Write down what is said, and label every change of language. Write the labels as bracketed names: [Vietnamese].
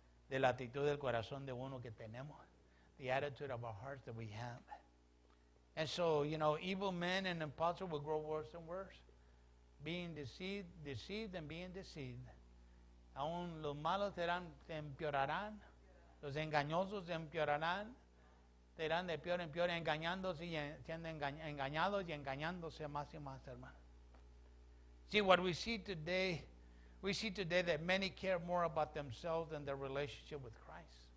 [Spanish] De la actitud del corazón de uno que tenemos. [English] The attitude of our hearts that we have. And so, you know, evil men and impostors will grow worse and worse. Being deceived and being deceived. [Spanish] Aún los malos se empeorarán. Los engañosos se empeorarán. Serán de peor en peor, engañándose y siendo engañados y engañándose más y más, hermano. [English] See, what we see today that many care more about themselves than their relationship with Christ.